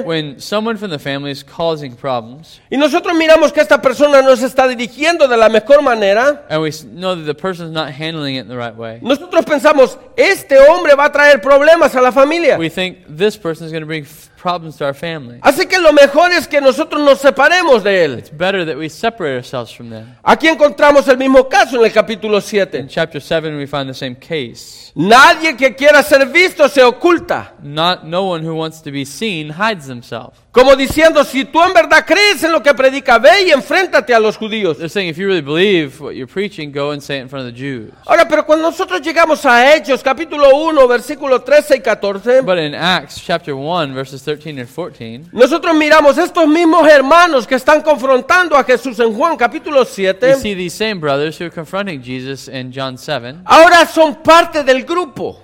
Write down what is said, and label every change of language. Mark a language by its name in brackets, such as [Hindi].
[English] when someone from the family is causing problems, [Spanish] y nosotros miramos que esta persona no se está dirigiendo de la mejor manera, [English] and we know that the person's not handling it the right way, [Spanish] nosotros pensamos, este hombre va a traer problemas a la familia. [English] We think this person is going to bring problems to our family. [Spanish] Así que lo mejor es que nosotros nos separemos de él. [English] It's better that we separate ourselves from them. [Spanish] Aquí encontramos el mismo caso en el capítulo 7. [English] In chapter 7 we find the same case. [Spanish] Nadie que quiera ser visto se oculta. [English] No one who wants to be seen hides themselves. [Spanish] Como diciendo, si tú en verdad crees en lo que predica, ve y enfréntate a los judíos. [English] They're saying, if you really believe what you're preaching, go and say it in front of the Jews. [Spanish] Ahora, pero cuando nosotros llegamos a Hechos, capítulo 1, versículo 13 y 14, [English] but in Acts, chapter 1, verses 13 and 14, [Spanish] nosotros miramos estos mismos hermanos que están confrontando a Jesús en Juan, capítulo 7, [English] we see these same brothers who are confronting Jesus in John 7, [Spanish] ahora son parte del grupo.